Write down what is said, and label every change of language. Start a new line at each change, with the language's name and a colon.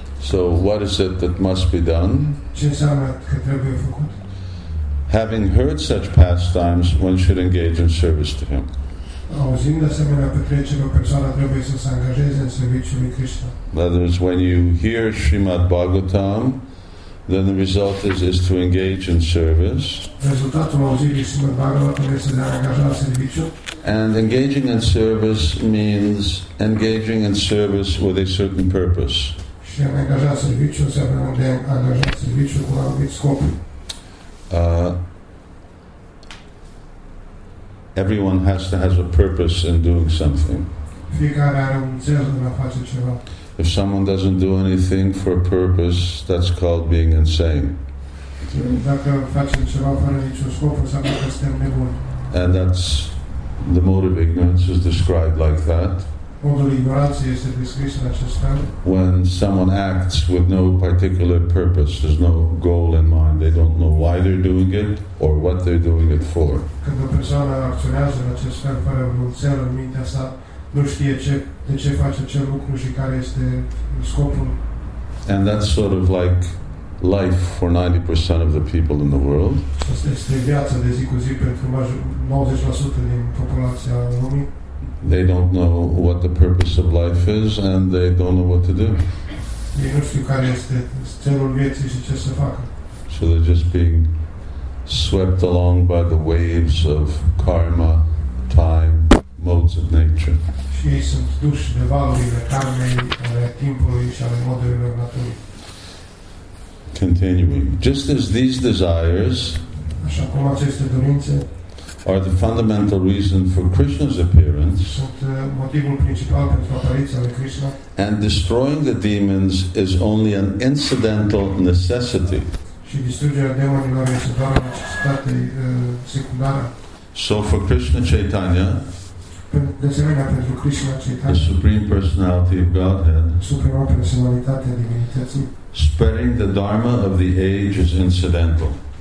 English: So what is it that must be done?
Romanian: Ce înseamnă că trebuie făcut?
English: Having heard such pastimes, one should engage in service to him.
Romanian: Auzind asemenea petreceri, o persoană trebuie să se angajeze în serviciul lui Krishna.
English: In other words, when you hear Srimad Bhagavatam, then the result is to engage in service.
Romanian: Rezultatul auzirii Srimad Bhagavatam este de a angaja în serviciu.
English: And engaging in service means engaging in service with a certain purpose.
Romanian: Și a angaja în serviciu înseamnă de a angaja în serviciu cu un anumit scop.
English: Everyone has to have a purpose in doing something.
Romanian: Fiecare are un țel în a face ceva.
English: If someone doesn't do anything for a purpose, that's called being insane.
Romanian: Dacă facem ceva fără niciun scop, înseamnă că suntem nebuni.
English: And that's the mode of ignorance is described like that.
Romanian: Modul ignoranței este descris în acest fel.
English: When someone acts with no particular purpose, there's no goal in mind, they don't know why they're doing it or what they're doing it for.
Romanian: Când o persoană acționează în acest fel fără un țel în mintea sa, nu știe ce, de ce face acel lucru și care este scopul.
English: And that's sort of like life for 90% of the people in the world.
Romanian: Asta este viața de zi cu zi pentru 90% din populația lumii.
English: They don't know what the purpose of life is and they don't know what to do.
Romanian: Ei nu știu care este celul vieții și ce să facă.
English: So they're just being swept along by the waves of karma, time, modes of nature.
Romanian: Și ei sunt duși de valurile karmei, ale timpului și ale modurilor naturii.
English: Continuing. Just as these desires,
Romanian: așa cum aceste dorințe,
English: are the fundamental reason for Krishna's appearance,
Romanian: motivul principal pentru apariția lui Krishna,
English: and destroying the demons is only an incidental necessity.
Romanian: Și distrugerea demonilor este doar o necesitate secundară.
English: So for Krishna Chaitanya,
Romanian: de asemenea pentru Krishna Chaitanya,
English: the Supreme Personality of Godhead,
Romanian: suprema personalitate a divinității,
English: spreading the dharma of the age is incidental.